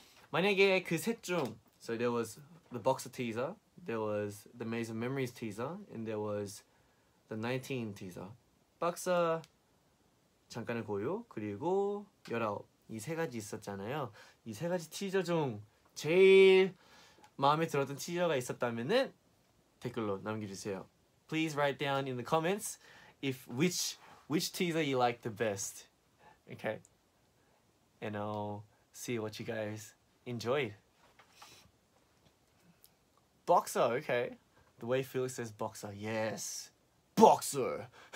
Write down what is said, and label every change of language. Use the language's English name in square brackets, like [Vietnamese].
[Korean] 만약에 그 셋 중, [English] so there was the Boxer teaser. There was the Maze of Memories teaser, and there was the 19 teaser. [Korean] 박사 잠깐의 고요, 그리고 19. 이 세 가지 있었잖아요. 이 세 가지 티저 중 제일 마음에 들었던 티저가 있었다면은 댓글로 남겨주세요. [English] Please write down in the comments if which teaser you like the best. Okay. And I'll see what you guys enjoyed. Boxer, okay. The way Felix says boxer, yes. Boxer!